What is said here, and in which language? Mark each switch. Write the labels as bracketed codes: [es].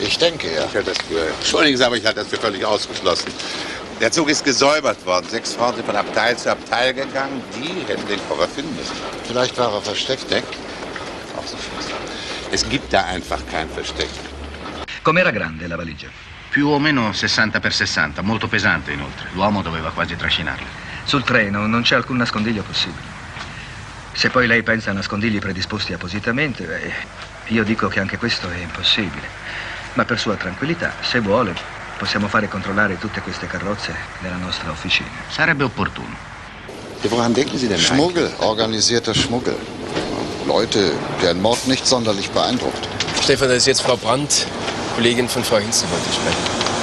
[de] Ich denke, ja. Ich halte das für, Entschuldigen Sie, aber ich halte das für völlig ausgeschlossen. Der Zug ist gesäubert worden. 6 Frauen sind von Abteil zu Abteil gegangen. Die hätten den Koffer finden müssen. Vielleicht war er versteckt, denk. Auch so viel. Es gibt da einfach kein Versteck. [it] Com'era grande la valigia? Più o meno 60x60, molto pesante inoltre. L'uomo doveva quasi trascinarla. Sul treno non c'è alcun nascondiglio possibile. Se poi lei pensa a nascondigli predisposti appositamente, beh, io dico che anche questo è impossibile. Ma per sua tranquillità, se vuole, possiamo fare controllare tutte queste carrozze nella nostra officina. Sarebbe opportuno. [de] E woran denken Sie denn? Schmuggel, organisierter Schmuggel. Leute, deren Mord nicht sonderlich beeindruckt. Stefan, da ist jetzt Frau Brandt, Kollegin von Frau Hinzel, wollte ich sprechen.